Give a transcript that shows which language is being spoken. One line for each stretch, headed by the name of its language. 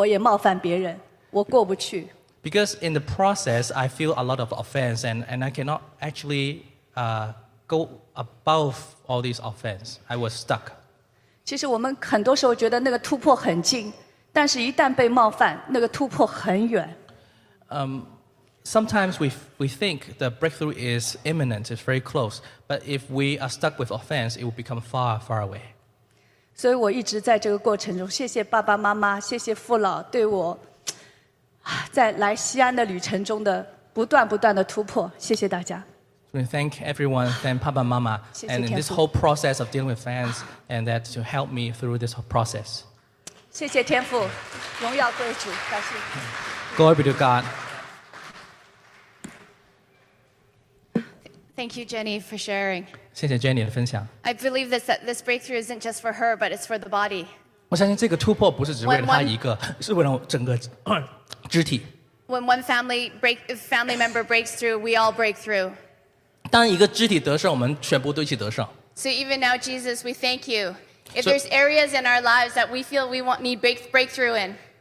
Chinese: 因为我在这个过程中一直感受到被冒犯，或者我也冒犯别人，我过不去。
English: Because in the process, I feel a lot of offense, and I cannot actually go above all these offense. I was stuck.
Chinese: 其实我们很多时候觉得那个突破很近，但是一旦被冒犯，那个突破很远。
English: Sometimes we think the breakthrough is imminent, it's very close, but if we are stuck with offense, it will become far, far away.
Chinese: 所以我一直在这个过程中，谢谢爸爸妈妈，谢谢父老对我。在来西安的旅程中的不断不断的突破，谢谢大家。
English: We thank everyone, thank Papa Mama, and in this whole process of dealing with fans, and that to help me through this whole process.
Chinese: 谢谢天父, 荣耀归主,
English: Glory be to God. Thank you, Jenny, for sharing.
Chinese: 谢谢Jenny的分享.
English: I believe that this breakthrough isn't just for her, but it's for the body.
Chinese: 我相信这个突破不是只为了她一个, 是为了整个肢体.
English: When one family member breaks through, we all break through.
Chinese: 当一个肢体得胜，我们全部都一起得胜.
English: So even now, Jesus, we thank you. If there's areas in our lives that we feel we want need breakthrough in.